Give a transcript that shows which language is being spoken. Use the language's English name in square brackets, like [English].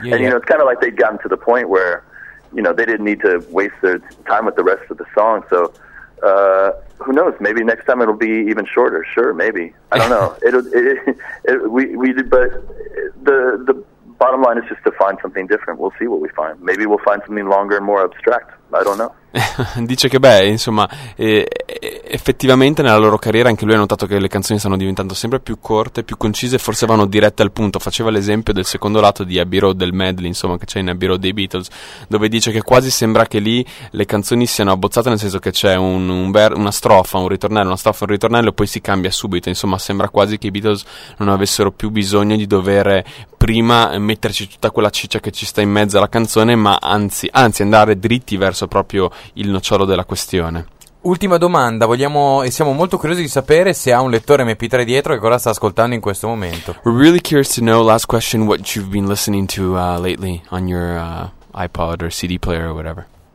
[English] know, it's kind of like they'd gotten to the point where, you know, they didn't need to waste their time with the rest of the song, so... who knows? Maybe next time it'll be even shorter. Sure, maybe. I don't know. But the bottom line is just to find something different. We'll see what we find. Maybe we'll find something longer and more abstract. I don't know. [Italian] Dice che effettivamente nella loro carriera anche lui ha notato che le canzoni stanno diventando sempre più corte, più concise, forse vanno dirette al punto. Faceva l'esempio del secondo lato di Abbey Road, del medley, insomma, che c'è in Abbey Road dei Beatles, dove dice che quasi sembra che lì le canzoni siano abbozzate, nel senso che c'è una strofa, un ritornello, poi si cambia subito. Insomma, sembra quasi che i Beatles non avessero più bisogno di dover prima metterci tutta quella ciccia che ci sta in mezzo alla canzone, ma anzi andare dritti verso proprio il nocciolo della questione. Ultima domanda, vogliamo e siamo molto curiosi di sapere se ha un lettore MP3 dietro che cosa sta ascoltando in questo momento. [English] We're really curious to know, last question, what you've been listening to lately on your iPod or CD player or whatever.